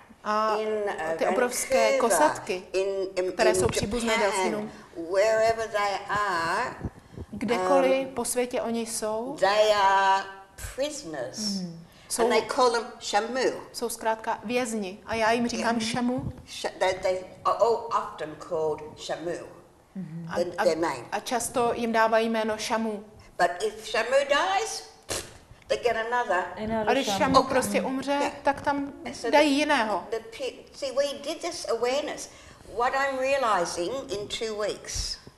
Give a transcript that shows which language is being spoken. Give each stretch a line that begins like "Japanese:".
Czech: A ty obrovské kosatky, které jsou příbuzné delfínům.
English: Wherever they are,
Czech: kdekoliv po světě oni jsou.
English: They are prisoners. And they call them Shamu.
Czech: Jsou zkrátka vězni. A já jim říkám Shamu.
English: They are all often called Shamu. Their name.
Czech: A často jim dávají jméno Shamu.
English: But if Shamu dies, they get another.
Czech: A když Shamu prostě umře, tak tam dají jiného.
English: See, we did this awareness. What I'm realizing in 2 weeks.